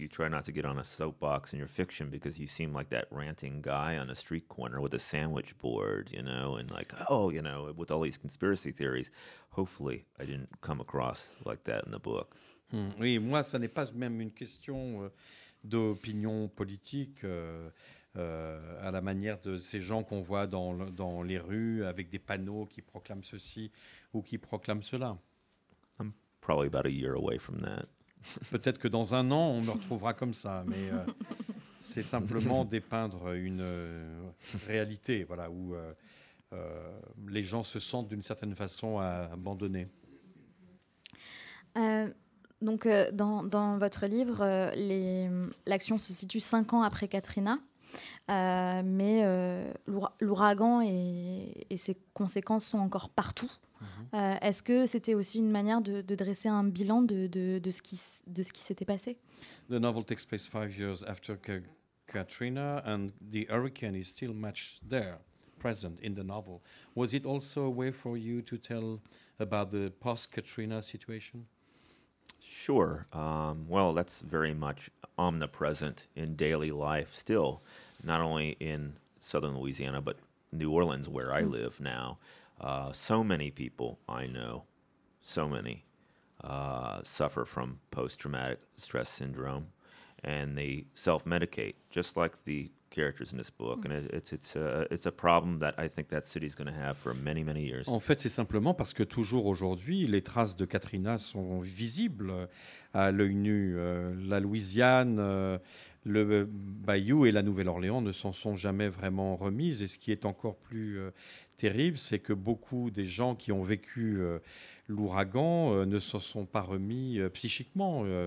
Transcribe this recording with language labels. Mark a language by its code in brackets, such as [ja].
[en] You try not to get on a soapbox in your fiction because you seem like that ranting guy on a street corner with a sandwich board, you know, and like, oh, you know, with all these conspiracy theories. Hopefully, I didn't come across like that in the book. [fr] Oui, moi, ça n'est pas même une question d'opinion politique à la manière de ces gens qu'on voit dans les rues avec des panneaux qui proclament ceci ou qui proclament cela. [en] I'm probably about a year away from that. [fr] Peut-être que dans un an, on me retrouvera comme ça, mais c'est simplement dépeindre une réalité voilà, où les gens se sentent d'une certaine façon abandonnés. Donc, dans votre livre, l'action se situe 5 ans après Katrina, mais l'ouragan et ses conséquences sont encore partout. Mm-hmm. Est-ce que c'était aussi une manière de dresser un bilan de ce qui s'était passé? [en] The novel takes place 5 years after Katrina, and the hurricane is still much there, present in the novel. Was it also a way for you to tell about the post-Katrina situation? Sure. Well, that's very much omnipresent in daily life still, not only in southern Louisiana, but New Orleans, where I live now, so many people I know, so many, suffer from post-traumatic stress syndrome, and they self-medicate, just like the characters in this book. And it's a problem that I think that city is going to have for many, many years. [fr] En fait, c'est simplement parce que toujours aujourd'hui, les traces de Katrina sont visibles à l'œil nu. La Louisiane, le Bayou et la Nouvelle-Orléans ne s'en sont jamais vraiment remises. Et ce qui est encore plus terrible, c'est que beaucoup des gens qui ont vécu l'ouragan ne se sont pas remis psychiquement.